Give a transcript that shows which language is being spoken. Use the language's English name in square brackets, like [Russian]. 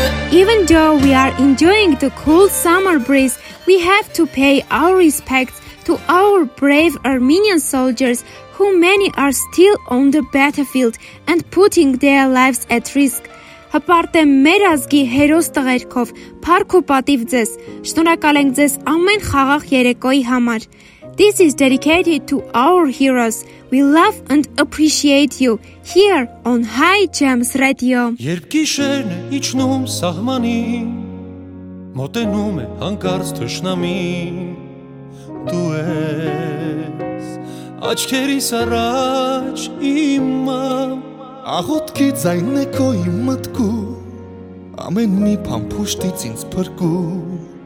[English] Even though we are enjoying the cool summer breeze, we have to pay our respects to our brave Armenian soldiers, who many are still on the battlefield and putting their lives at risk. [Armenian] Հպարտեմ մեր ազգի հերոս տղերքով, փառք ու պատիվ ձեզ, շնորհակալ ենք ձեզ ամեն խաղաղ երեկոյի համար. [English] This is dedicated to our heroes. We love and appreciate you here on High Jams Radio. [Armenian] Երբ գիշերն է իջնում սահմանին, մոտենում է հանկարծ թշնամին, դու ես աչքերիս առաջ իմը, աղոտքի ձայնն է քո իմ մտքում, ամեն մի փամփուշտից ինձ փրկում,